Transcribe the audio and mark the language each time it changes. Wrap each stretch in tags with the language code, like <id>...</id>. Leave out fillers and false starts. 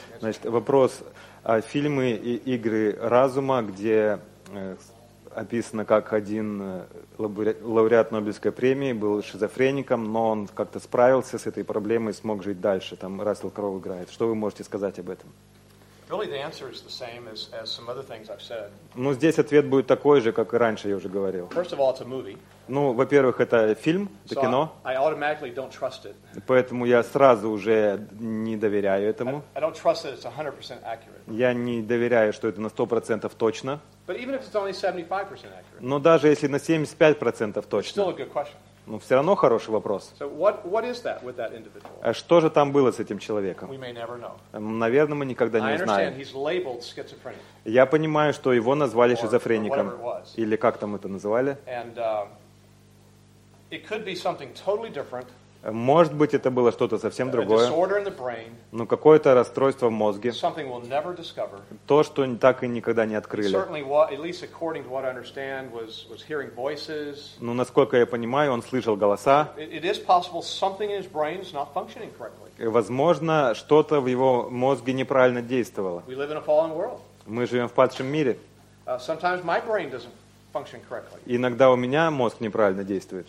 <ru>Значит, вопрос о фильмы и игры разума, где описано, как один лауреат Нобелевской премии был шизофреником, но он как-то справился с этой проблемой и смог жить дальше. Там Рассел Кроу играет. Что вы можете сказать об этом?</ru> <en>Really, the answer is the same as some other things I've said.</en> <ru>Ну, здесь ответ будет такой же, как и раньше я уже говорил.</ru> <en>First of all, it's a movie.</en> <ru>Ну, во-первых, это фильм, это кино.</ru> <en>I automatically don't trust it.</en> <ru>Поэтому я сразу уже не доверяю этому.</ru> <en>I don't trust that it's 100% accurate.</en> <ru>Я не доверяю, что это на 100% точно.</ru> <en>But even if it's only 75% accurate.</en> <ru>Но даже если на 75% точно.</ru> <en>It's still a good question.</en> <ru>Ну, все равно хороший вопрос.</ru> <en>So what is that with that individual?</en> <ru>А что же там было с этим человеком?</ru> <en>We may never know.</en> <ru>Наверное, мы никогда не узнаем.</ru> <en>I understand he's labeled schizophrenic.</en> <ru>Я понимаю, что его назвали</ru> <en>or,</en> <ru>шизофреником.</ru> <en>Or whatever it was.</en> <ru>Или как там это называли.</ru> <en>And, it could be something totally different.</en> <ru>Может быть, это было что-то совсем другое.</ru> <en>Disorder in the brain,</en> <ru>но какое-то расстройство в мозге.</ru> <en>Something we'll never discover.</en> <ru>То, что так и никогда не открыли.</ru> <en>Certainly, what, at least according to what I understand, was hearing voices.</en> <ru>Ну, насколько я понимаю, он слышал голоса.</ru> <en>It is possible something in his brain is not functioning correctly.</en> <ru>Возможно, что-то в его мозге неправильно действовало.</ru> <en>We live in a fallen world.</en> <ru>Мы живем в падшем мире.</ru> <en>Sometimes my brain doesn't function correctly.</en> <ru>Иногда у меня мозг неправильно действует.</ru>